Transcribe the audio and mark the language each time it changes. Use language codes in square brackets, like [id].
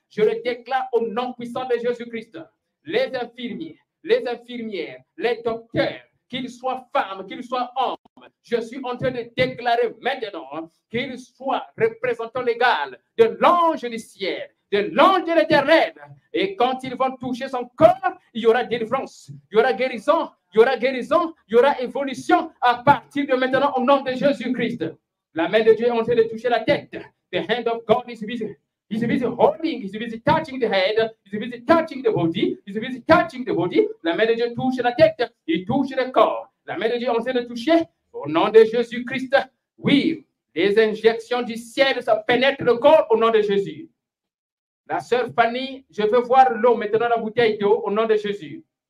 [fr] Je le déclare au nom puissant de Jésus-Christ. Les infirmiers, les infirmières, les docteurs, qu'ils soient femmes, qu'ils soient hommes, je suis en train de déclarer maintenant qu'ils soient représentants légaux de l'ange du ciel, de l'ange de l'Éternel. Et quand ils vont toucher son corps, il y aura délivrance, il y aura guérison, il y aura guérison, il y aura évolution à partir de maintenant au nom de Jésus-Christ. La main de Dieu est en train de toucher la tête. [en] The hand of God is busy. He's busy holding, he's busy touching the head, he's busy touching the body, he's busy touching the body. [fr] La main de Dieu touche la tête, il touche le corps. La main de Dieu est en train de toucher, au nom de Jésus-Christ. Oui, les injections du ciel, ça pénètre le corps, au nom de Jésus. La sœur Fanny, je veux voir l'eau maintenant, la bouteille d'eau, au nom de Jésus.